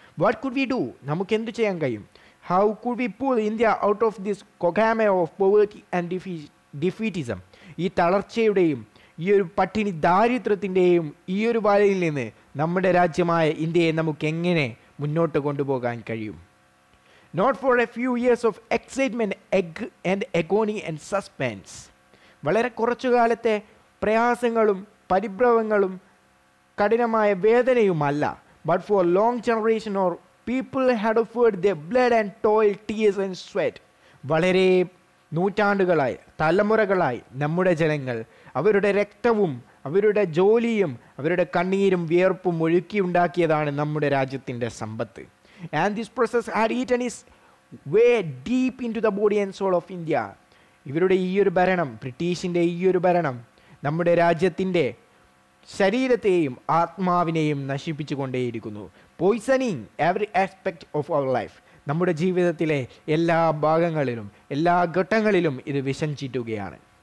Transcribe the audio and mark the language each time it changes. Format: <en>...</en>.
<en>what could we do,</en> <ml>നമുക്ക് എന്തു ചെയ്യാൻ കഴിയും?</ml> <en>How could we pull India out of this quagmire of poverty and defeatism.</en> <ml>ഈ തളർച്ചയുടെയും ഈ ഒരു പട്ടിണി ദാരിദ്ര്യത്തിൻ്റെയും ഈ ഒരു വലയിൽ നിന്ന് നമ്മുടെ രാജ്യമായ ഇന്ത്യയെ നമുക്ക് എങ്ങനെ മുന്നോട്ട് കൊണ്ടുപോകാൻ കഴിയും?</ml> <en>Not for a few years of excitement, agony and suspense.</en> <ml>വളരെ കുറച്ചു കാലത്തെ പ്രയാസങ്ങളും പരിഭ്രവങ്ങളും കഠിനമായ വേദനയുമല്ല.</ml> <en>But for a long generation or people had offered their blood and toil, tears and sweat.</en> <ml>വളരെ നൂറ്റാണ്ടുകളായി തലമുറകളായി നമ്മുടെ ജനങ്ങൾ അവരുടെ രക്തവും അവരുടെ ജോലിയും അവരുടെ കണ്ണീരും വിയർപ്പും ഒഴുക്കി ഉണ്ടാക്കിയതാണ് നമ്മുടെ രാജ്യത്തിൻ്റെ സമ്പത്ത്.</ml> <en>And this process had eaten its way deep into the body and soul of India.</en> <ml>ഇവരുടെ ഈ ഒരു ഭരണം, ബ്രിട്ടീഷിൻ്റെ ഈ ഒരു ഭരണം നമ്മുടെ രാജ്യത്തിൻ്റെ ശരീരത്തെയും ആത്മാവിനെയും നശിപ്പിച്ചു കൊണ്ടേയിരിക്കുന്നു.</ml> <en>Poisoning every aspect of our life.</en> <ml>നമ്മുടെ ജീവിതത്തിലെ എല്ലാ ഭാഗങ്ങളിലും എല്ലാ ഘട്ടങ്ങളിലും ഇത് വിഷം ചീറ്റുകയാണ്.</ml>